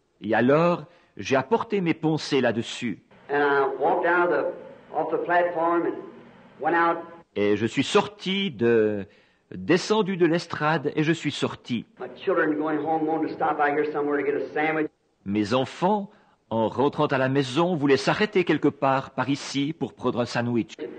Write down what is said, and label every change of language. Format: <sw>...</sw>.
<fr>Et alors, j'ai apporté mes pensées là-dessus.</fr> <en>And I walked out off the platform and went out.</en> <fr>Et je suis sorti descendu de l'estrade et je suis sorti.</fr> <en>My children going home wanted to stop by here somewhere to get a sandwich.</en> <fr>Mes enfants, en rentrant à la maison, voulaient s'arrêter quelque part par ici pour prendre un sandwich.</fr>